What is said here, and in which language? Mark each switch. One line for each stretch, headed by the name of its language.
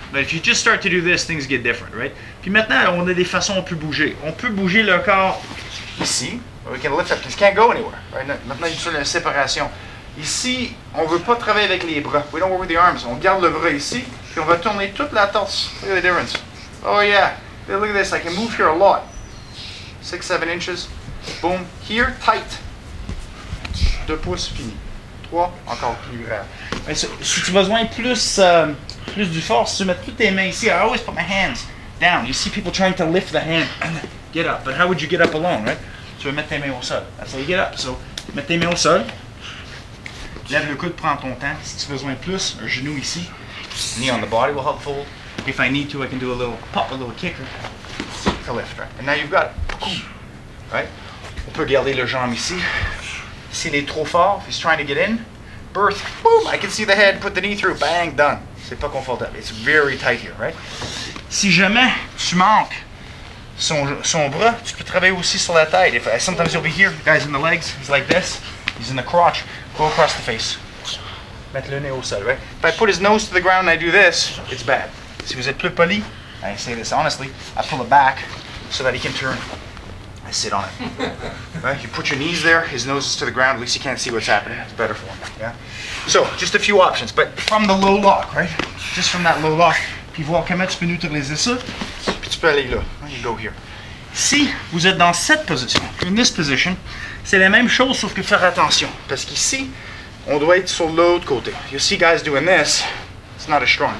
English: But if you just start to do this, things get different, right?
French: Puis maintenant, on a des façons on peut bouger. On peut bouger le corps ici.
English: We can lift up. This can't go anywhere. Right?
French: Maintenant, il y a une séparation. Ici, on veut pas travailler avec les bras.
English: We don't work with the arms.
French: On garde le bras ici, puis on va tourner toute la torse.
English: Look at the difference. Oh yeah. Hey, look at this. I can move here a lot. 6-7 inches. Boom. Here, tight.
French: 2 pouces, fini. 3, encore plus grave. Mais si tu vas besoin plus, plus du force, tu mets toutes tes mains ici.
English: I always put my hands down. You see people trying to lift the hand and get up. But how would you get up alone, right?
French: Tu veux mettre tes mains au sol.
English: That's how you get up.
French: So, mets tes mains au sol. Lève le coude, prends ton temps. Si tu as besoin de plus, un genou ici.
English: Knee on the body will help fold. If I need to, I can do a little pop, a little kicker. To lift, right? And now you've got it. Right?
French: On peut garder le jambe ici. S'il est trop fort,
English: if he's trying to get in, birth, boom, I can see the head, put the knee through, bang, done.
French: C'est pas confortable.
English: It's very tight here, right?
French: Si jamais tu manques, son bras, tu peux travailler aussi sur la tête.
English: If, sometimes you'll be here, the guy's in the legs, he's like this, he's in the crotch, go across the face.
French: Mettre le nez au sol, right?
English: If I put his nose to the ground and I do this, it's bad.
French: Si vous êtes plus poli,
English: I say this honestly, I pull it back so that he can turn. I sit on it. Right? You put your knees there, his nose is to the ground, at least he can't see what's happening. It's better for him, yeah? So, just a few options, but from the low lock, right? Just from that low lock.
French: Puis voir comment tu peux neutraliser ça. Puis tu peux aller là.
English: You go here.
French: Si vous êtes dans cette position,
English: in this position,
French: c'est la même chose sauf que faire attention. Parce qu'ici, on doit être sur l'autre côté.
English: You see guys doing this, it's not as strong.